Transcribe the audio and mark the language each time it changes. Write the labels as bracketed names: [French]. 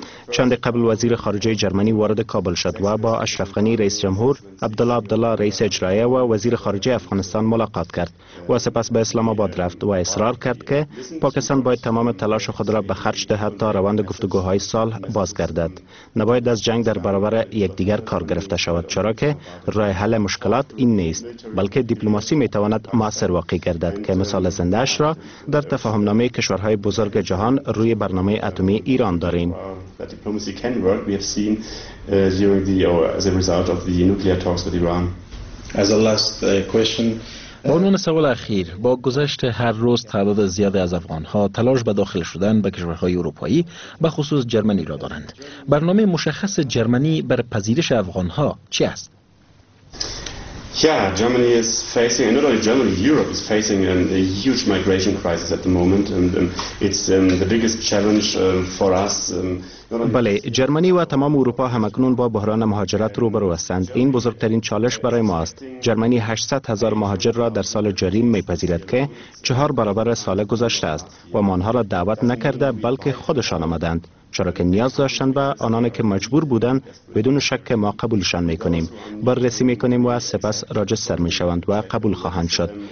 [Persian] چند قبل وزیر خارجه جرمنی وارد کابل شد و با اشرف غنی رئیس جمهور، عبدالله عبدالله رئیس اجرایه و وزیر خارجه افغانستان ملاقات کرد و سپس به اسلام آباد رفت و اصرار کرد که پاکستان باید تمام تلاش خود را به خرج دهد تا روند گفتگوهای صلح بازگردد. نباید از جنگ در برابر یکدیگر کار گرفته شود، چرا که راه حل مشکلات این نیست، بلکه دیپلماسی می تواند مؤثر واقع گردد که مثال زنده اش را در تفاهم نامه کشورهای بزرگ جهان روی برنامه اتمی ایران داریم. [English] Diplomacy can work, we have seen during the or as a result of the nuclear talks with Iran. As a last question, [Persian] به عنوان سوال اخیر، با گذشت هر روز تعداد زیادی از افغانها تلاش به داخل شدن به کشورهای اروپایی به خصوص جرمنی را دارند، برنامه مشخص جرمنی بر پذیرش افغانها چی است؟ [English] Yeah, Germany is facing, and not only Germany, Europe is facing a huge migration crisis at the moment, and it's the biggest challenge for us. [Persian] بله، جرمنی و تمام اروپا همکنون با بحران مهاجرت روبرو هستند. این بزرگترین چالش برای ما است. جرمنی 800 هزار مهاجر را در سال جاری میپذیرد که 4 برابر سال گذشته است و ما آنها را دعوت نکرده بلکه خودشان آمدند. چرا که نیاز داشتند و آنان که مجبور بودند بدون شک ما قبولشان میکنیم، بررسی میکنیم و سپس راجستر میشوند و قبول خواهند شد.